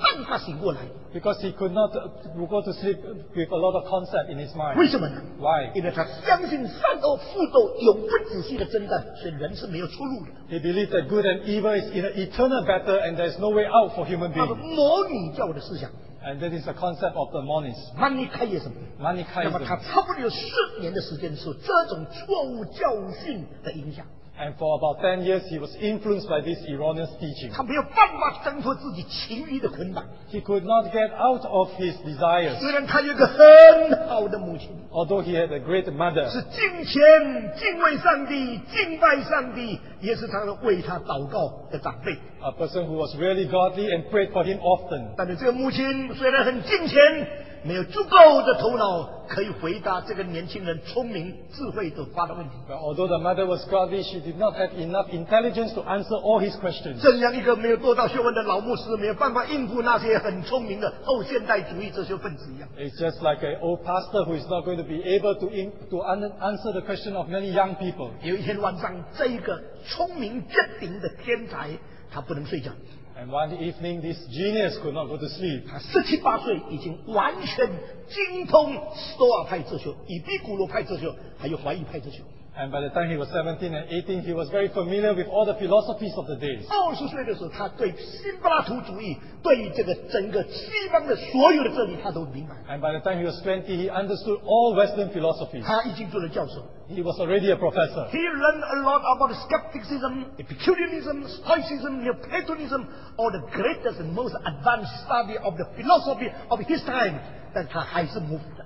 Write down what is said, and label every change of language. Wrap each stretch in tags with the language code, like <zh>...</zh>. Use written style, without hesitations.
<en>Because he could not go to sleep with a lot of concept in his mind. Why? He believed that good and evil is in an eternal battle and there is no way out for human beings. And that is the concept of the monist. Manichaeism. Manichaeism.</en> <zh>那么他差不多有10年的时间受这种错误教训的影响。</zh> <en>And for about 10 years, he was influenced by this erroneous teaching.</en> <zh>他没有办法挣脱自己情欲的捆绑。</zh> <en>He could not get out of his desires.</en> <zh>虽然他有个很好的母亲。</zh> <en>Although he had a great mother.</en> <zh>是敬虔、敬畏上帝、敬拜上帝，也是他为他祷告的长辈。</zh> <en>A person who was really godly and prayed for him often.</en> <zh>但是这个母亲虽然很敬虔，没有足够的头脑可以回答这个年轻人聪明智慧的发的问题。</zh> <en>But although the mother was godly, she did not have enough intelligence to answer all his questions.</en> <zh>这样一个没有多大学问的老牧师，没有办法应付那些很聪明的后现代主义哲学分子一样。</zh> <en>It's just like an old pastor who is not going to be able to answer the question of many young people.</en> <zh>有一天晚上，这一个聪明绝顶的天才，他不能睡觉。</zh> <en>And one evening, this genius could not go to sleep.</en> <zh>他十七八岁已经完全精通斯多亚派哲学、以比古罗派哲学，还有怀疑派哲学。</zh> <en>And by the time he was 17 and 18, he was very familiar with all the philosophies of the days.</en> <zh>二十岁的时候，他对希腊主义、对这个整个西方的所有的哲理，他都明白。</zh> <en>And by the time he was 20, he understood all Western philosophies.</en> <zh>他已经做了教授。</zh> <en>He was already a professor. He learned a lot about skepticism, epicureanism, stoicism, neoplatonism, all the greatest and most advanced study of the philosophy of his time.</en> <zh>但他还是无法。</zh>